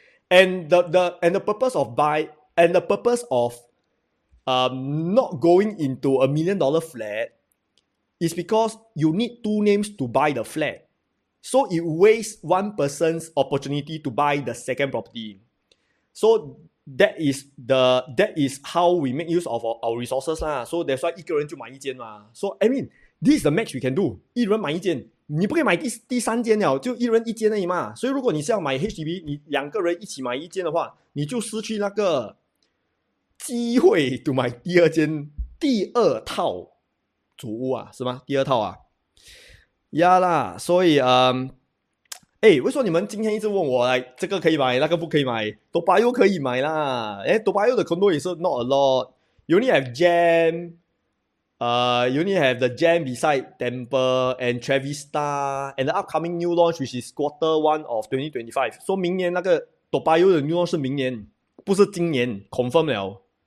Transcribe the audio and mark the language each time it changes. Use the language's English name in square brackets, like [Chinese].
[English] And the purpose of not going into $1 million flat is because you need two names to buy the flat. So it wastes one person's opportunity to buy the second property. So that is how we make use of our resources lah. So that's why [Chinese] 一个人就买一间嘛. [English] So I mean, this is the max we can do. [Chinese] 一人买一间，你不可以买第三间了，就一人一间而已嘛。所以如果你是要买 HDB, 你两个人一起买一间的话，你就失去那个机会 to 买第二间第二套主屋啊，是吗？第二套啊。呀啦，所以为什么你们今天一直问我来这个可以买，那个不可以买？多巴又可以买啦，多巴又的 condo 也是 [English] not a lot. You only have Gem, you only have the Gem beside Temple and Travista and the upcoming new launch, which is quarter one of 2025. [Chinese] So 明年那个多巴又的 new launch 是明年，不是今年 confirm 了。